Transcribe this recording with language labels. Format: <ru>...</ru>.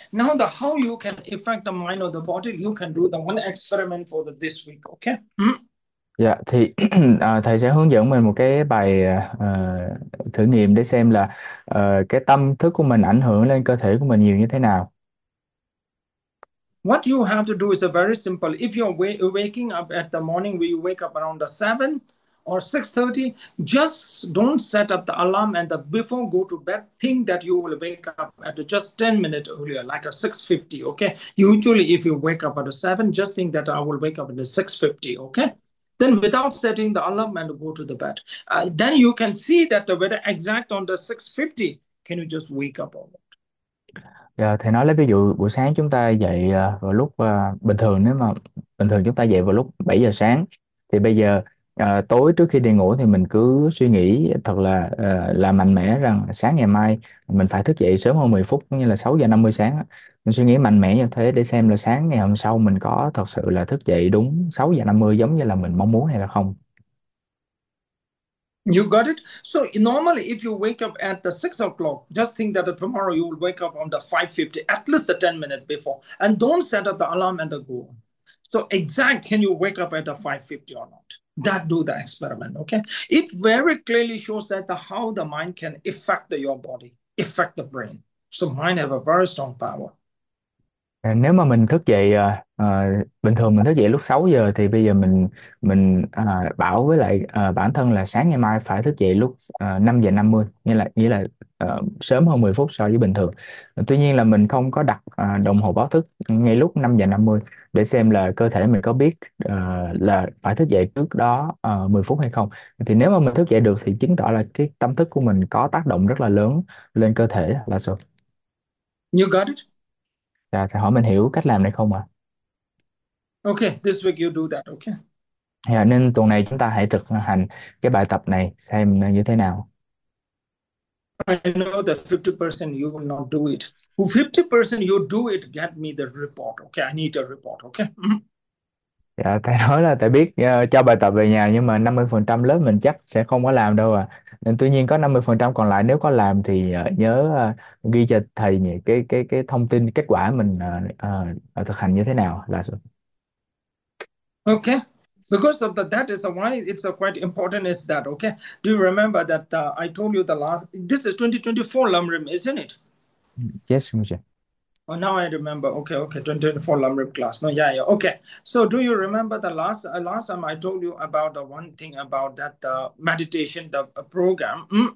<en>Now the how you can affect the mind or the body, you can do the one experiment for the this week. Okay.</en> <vi>Dạ, thì thầy sẽ hướng dẫn mình một cái bài thử nghiệm để xem là cái tâm thức của mình ảnh hưởng lên cơ thể của mình nhiều như thế nào.</vi> <en>What you have to do is a very simple. If you're waking up at the morning, we wake up around the 7. or 6:30, just don't set up the alarm and the before go to bed, think that you will wake up at just 10 minutes earlier, like a 6:50, okay? Usually, if you wake up at 7, just think that I will wake up at 6:50, okay? Then without setting the alarm and go to the bed, then you can see that the weather exact on the 6:50, can you just wake up or not?</en> <vi>Yeah, thầy nói lấy ví dụ buổi sáng chúng ta dậy vào lúc bình thường, nếu mà bình thường chúng ta dậy vào lúc 7 giờ sáng thì bây giờ tối trước khi đi ngủ thì mình cứ suy nghĩ thật là mạnh mẽ rằng sáng ngày mai mình phải thức dậy sớm hơn 10 phút, như là 6 giờ 50 sáng đó. Mình suy nghĩ mạnh mẽ như thế để xem là sáng ngày hôm sau mình có thật sự là thức dậy đúng 6 giờ 50 giống như là mình mong muốn hay là không.</vi> <en>You got it? So normally if you wake up at the 6 o'clock, just think that tomorrow you will wake up on the 5:50, at least the 10 minutes before, and don't set up the alarm and the go. So exact, can you wake up at the 5:50 or not? That do the experiment, okay? It very clearly shows that the how the mind can affect your body, affect the brain. So mind have a very strong power.</en> <vi>Nếu mà mình thức dậy bình thường mình thức dậy lúc 6 giờ thì bây giờ mình bảo với lại bản thân là sáng ngày mai phải thức dậy lúc 5 giờ 50, nghĩa là sớm hơn 10 phút so với bình thường. Tuy nhiên là mình không có đặt đồng hồ báo thức ngay lúc 5 giờ 50 để xem là cơ thể mình có biết là phải thức dậy trước đó 10 phút hay không. Thì nếu mà mình thức dậy được thì chứng tỏ là cái tâm thức của mình có tác động rất là lớn lên cơ thể là sao?</vi> <en>You got it?</en> <vi>Dạ, thầy hỏi mình hiểu cách làm này không ạ?</vi> <en>Okay, this week you do that, okay?</en> <vi>Dạ, nên tuần này chúng ta hãy thực hành cái bài tập này xem như thế nào.</vi> <en>I know that 50% you will not do it. 50% you do it, get me the report, okay? I need a report, okay?</en> <vi>Dạ, thầy nói là thầy biết cho bài tập về nhà nhưng mà 50% lớp mình chắc sẽ không có làm đâu à. Nên tuy nhiên có 50% còn lại nếu có làm thì nhớ ghi cho thầy những cái thông tin kết quả mình thực hành như thế nào là sao.</vi> <en>Okay, because of that is why it's quite important is that, okay, do you remember that I told you the last, this is 2024 Lamrim, isn't it? Yes, Mr. Oh, now I remember. Okay, 2024 Lamrim class. No, yeah, okay. So do you remember the last time I told you about the one thing about that meditation, the program?</en>